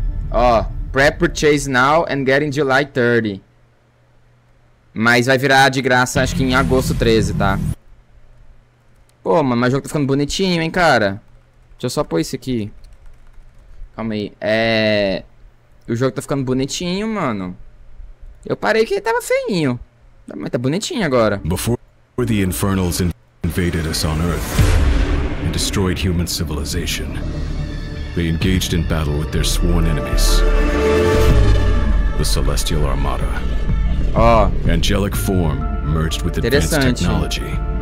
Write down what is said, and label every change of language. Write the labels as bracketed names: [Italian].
[English] Ó, pre-purchase now and get in July 30. [Portuguese] Mas vai virar de graça, acho que em agosto 13, tá? Pô, mano, mas o jogo tá ficando bonitinho, hein, cara? Deixa eu só pôr isso aqui. Calma aí. O jogo tá ficando bonitinho, mano. Eu parei que ele tava feinho. Mas tá bonitinho agora. [English] Before the Infernals invaded us on Earth and destroyed human civilization, they engaged in battle with their sworn enemies, the Celestial Armada. Oh. Angelic form merged with advanced technology.